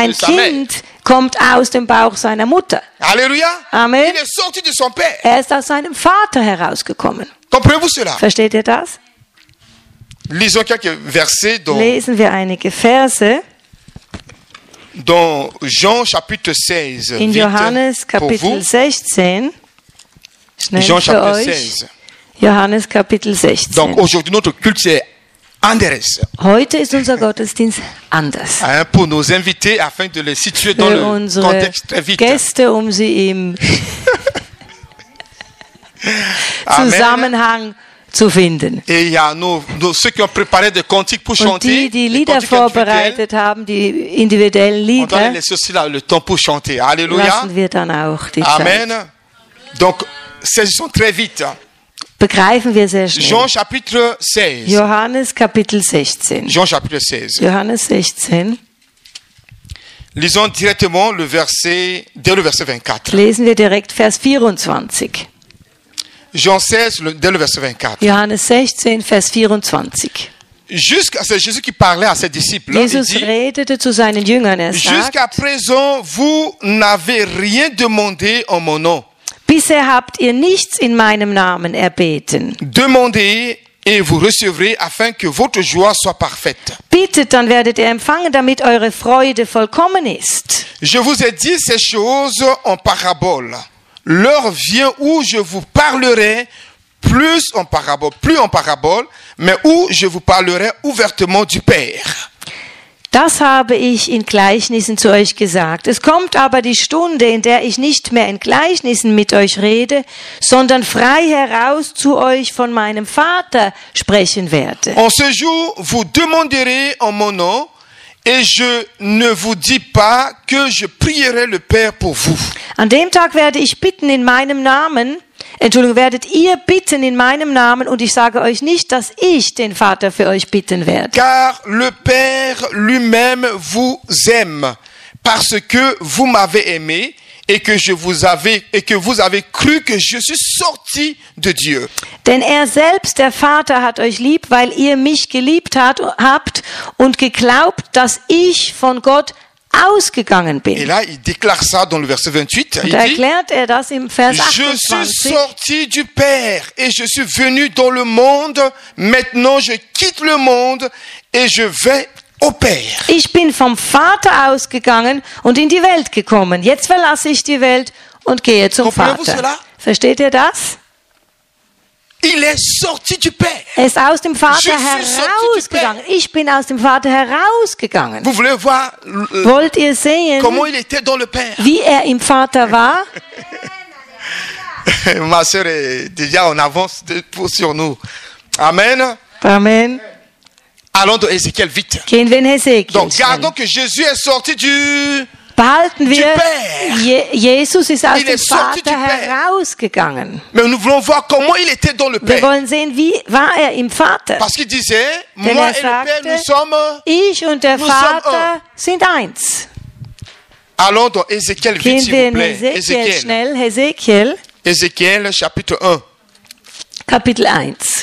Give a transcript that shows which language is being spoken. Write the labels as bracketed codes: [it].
[de] Ein Kind kommt aus dem Bauch seiner Mutter. Alléluia. Amen. [fr] Il est sorti de son Père. [de] Er ist aus seinem Vater herausgekommen. [fr] Comprenez-vous cela? [de] Versteht ihr das? [fr] Lisons quelques versets dans [de] lesen wir einige Verse [fr] dans Jean chapitre 16 [de] in Johannes Kapitel 16 schnell [fr] Jean chapitre [de] 16 Johannes Kapitel 16. [fr] Donc aujourd'hui notre culte est [de] anders. Heute ist unser Gottesdienst anders. [fr] Pour nos invités afin de les situer dans [de] für [fr] le contexte très vite. [de] Gäste, um sie im Zusammenhang zu finden. [fr] Et il y a nos ceux qui ont préparé des cantiques pour chanter. [de] Und die Lieder vorbereitet haben, die individuellen Lieder. [fr] On donne aussi le temps pour chanter. Alléluia. [de] Lassen wir dann auch die Amen. Zeit. [fr] Donc, saisissons très vite. [de] Begreifen wir sehr schnell. [fr] Jean chapitre 16. [de] Johannes Kapitel 16. [fr] Jean chapitre 16. [de] Johannes 16. [fr] Lisons directement le verset dès le verset 24. [de] Lesen wir direkt Vers 24. [fr] Jean 16, dès le verset 24. [de] Johannes 16, Vers 24. [fr] C'est Jésus qui parlait à ses disciples. [de] Jesus [fr] dit, [de] redete zu seinen Jüngern, er sagt, [fr] jusqu'à présent, vous n'avez rien demandé en mon nom. [de] Bisher habt ihr nichts in meinem Namen erbeten. [fr] Demandez et vous recevrez afin que votre joie soit parfaite. [de] Bittet, dann werdet ihr empfangen, damit eure Freude vollkommen ist. [fr] Je vous ai dit ces choses en parabole. L'heure vient où je vous parlerai plus en parabole, mais où je vous parlerai ouvertement du Père. [de] Das habe ich in Gleichnissen zu euch gesagt. Es kommt aber die Stunde, in der ich nicht mehr in Gleichnissen mit euch rede, sondern frei heraus zu euch von meinem Vater sprechen werde. [fr] En ce jour, vous demanderez en mon nom, et je ne vous dis pas que je prierai le Père pour vous. [de] An dem Tag werde ich bitten in meinem Namen, Entschuldigung, werdet ihr bitten in meinem Namen und ich sage euch nicht, dass ich den Vater für euch bitten werde. [fr] Car le Père lui-même vous aime, parce que vous m'avez aimé et que je vous avais et que vous avez cru que je suis sorti de Dieu. [de] Denn er selbst, der Vater, hat euch lieb, weil ihr mich geliebt habt und geglaubt, dass ich von Gott ausgegangen bin. [fr] Et là, il déclare ça dans le verset 28. [de] Und da erklärt er das im Vers 28. [fr] Je suis sorti du Père et je suis venu dans le monde. Maintenant, je quitte le monde et je vais au Père. [de] Ich bin vom Vater ausgegangen und in die Welt gekommen. Jetzt verlasse ich die Welt und gehe zum Vater. Versteht ihr das? [fr] Il est sorti du Père. [de] Er ist aus dem Vater herausgegangen. Ich bin aus dem Vater herausgegangen. [fr] Vous voulez voir, [de] wollt ihr sehen, [fr] comment il était dans le Père? [de] Wie er im Vater war? [fr] Ma sœur est déjà en avance sur nous. Amen. Amen. Allons dans Ézéchiel vite. [de] Gehen wir in Ézéchiel. [fr] Donc, gardons que Jésus est sorti du [de] behalten wir, Jesus ist aus dem Vater herausgegangen. [fr] Mais nous voulons voir comment il était dans le Père. [de] Wir wollen sehen, wie war er im Vater. [fr] Parce qu'il disait, moi et le Père, nous sommes, [de] ich und der Vater sind eins. [fr] Allons dans Ézéchiel vite, s'il vous plaît. [de] Ézéchiel, schnell, Ézéchiel. [fr] Ézéchiel, chapitre 1. [de] Kapitel 1.